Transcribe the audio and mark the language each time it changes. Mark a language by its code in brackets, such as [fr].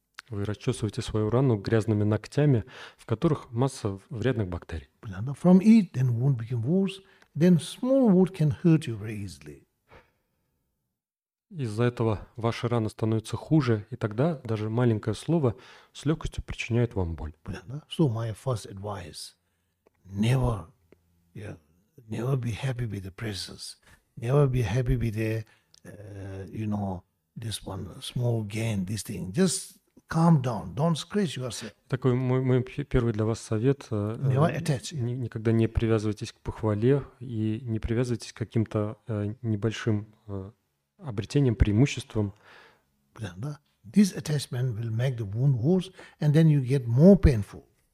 [ru] Вы расчесываете свою рану грязными ногтями, в которых масса вредных бактерий. [en] From it, then wound became worse. Then small wound can hurt you very easily. [ru] Из-за этого ваша рана становится хуже, и тогда даже маленькое слово с легкостью причиняет вам боль. [en] So my first advice: never, yeah, never be happy with the praises. Never be happy with the, you know, this one small gain, this thing. Just calm down. Don't scratch yourself. [ru] Такой мой первый для вас совет: [en] never attach. [ru] Никогда не привязывайтесь к похвале и не привязывайтесь к каким-то небольшим обретением, преимуществом. [en] This attachment will make the wound worse, and then you get more painful.